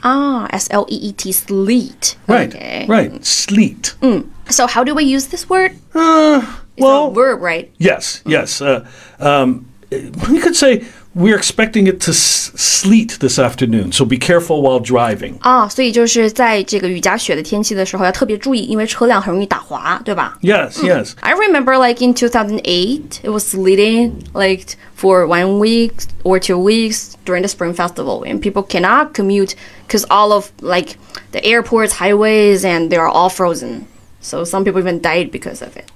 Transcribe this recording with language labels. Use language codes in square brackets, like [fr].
[en] Ah, S-L-E-E-T, sleet. Right, okay. Right, sleet. So how do we use this word? Well, it's a verb, right? Yes, yes. We could say... We're expecting it to sleet this afternoon, so be careful while driving. [zh] Ah, 所以就是在这个雨夹雪的天气的时候要特别注意，因为车辆很容易打滑，对吧？ [en] Yes, yes. I remember like in 2008, it was sleeting like for 1 week or 2 weeks during the Spring Festival, and people cannot commute because all of like the airports, highways, and they are all frozen. So some people even died because of it.